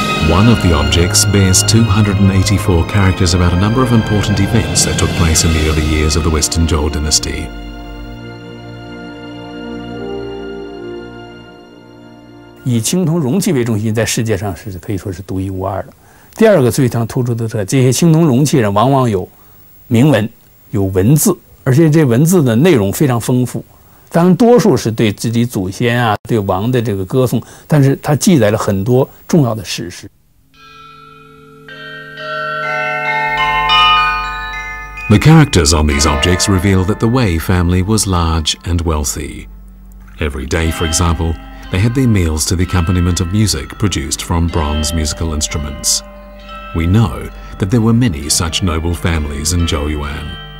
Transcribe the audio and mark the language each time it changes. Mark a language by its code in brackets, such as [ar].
[en] One of the objects bears 284 characters about a number of important events that took place in the early years of the Western Zhou dynasty. [zh] 以青铜容器为中心，在世界上是可以说是独一无二的。第二个最强突出的特，这些青铜容器上往往有铭文，有文字，而且这文字的内容非常丰富。当然多数是对自己祖先啊，对王的这个歌颂，但是它记载了很多重要的史实。 [en] The characters on these objects reveal that the Wei family was large and wealthy. Every day, for example, they had their meals to the accompaniment of music produced from bronze musical instruments. We know that there were many such noble families in Zhouyuan.